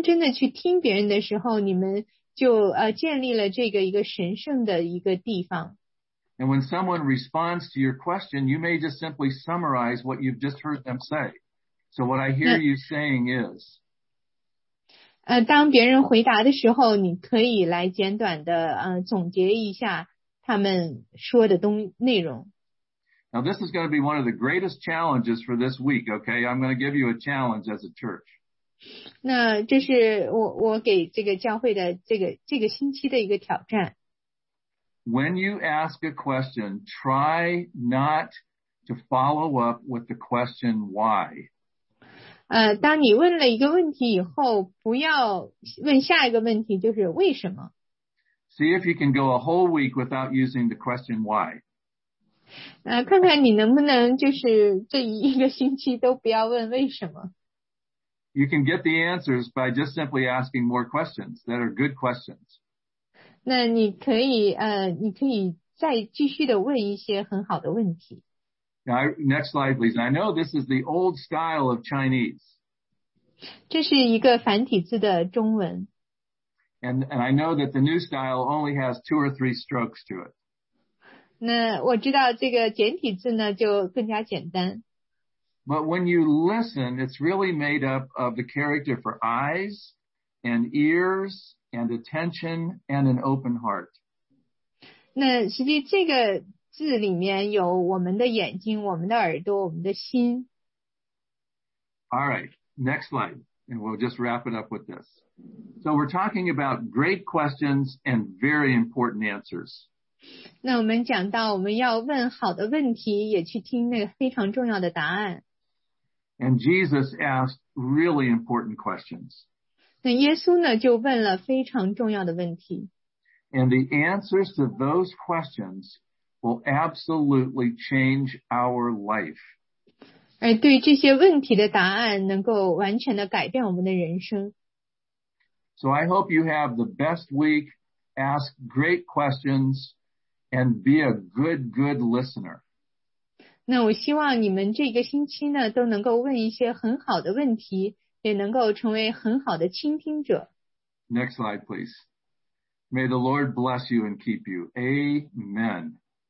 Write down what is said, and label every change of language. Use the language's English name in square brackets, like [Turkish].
[Chinese] 那当你认真的去听别人的时候, 你们就, 建立了这个一个神圣的一个地方。 [English] And when someone responds to your question, you may just simply summarize what you've just heard them say. So what I hear you saying is... [Chinese] 当别人回答的时候, 你可以来简短的, 总结一下。 [English] Now, this is going to be one of the greatest challenges for this week, okay? I'm going to give you a challenge as a church. [Chinese] 那这是我给这个教会的这个星期的一个挑战。 [English] When you ask a question, try not to follow up with the question why. [Chinese] 当你问了一个问题以后, 不要问下一个问题,就是为什么? [English] See if you can go a whole week without using the question why. [Chinese] 看看你能不能就是这一个星期都不要问为什么。 [English] You can get the answers by just simply asking more questions that are good questions. [Chinese] 那你可以你可以再继续的问一些很好的问题。 [English] Now, next slide, please. I know this is the old style of Chinese. [Chinese] 这是一个繁体字的中文。 [English] And I know that the new style only has two or three strokes to it. [Chinese] 那我知道这个简体字呢就更加简单。 [English] But when you listen, it's really made up of the character for eyes and ears and attention and an open heart. [Chinese] 那实际这个字里面有我们的眼睛、我们的耳朵、我们的心。 [English] All right, next slide. And we'll just wrap it up with this. So we're talking about great questions and very important answers. [Chinese] 那我们讲到我们要问好的问题，也去听那个非常重要的答案。 [English] And Jesus asked really important questions. [Chinese] 那耶稣呢，就问了非常重要的问题。 [English] And the answers to those questions will absolutely change our life. [Chinese] 而对这些问题的答案能够完全的改变我们的人生。 [English] So I hope you have the best week, ask great questions, and be a good, good listener. [Chinese] 那我希望你们这个星期呢都能够问一些很好的问题，也能够成为很好的倾听者。 [English] Next slide, please. May the Lord bless you and keep you. Amen.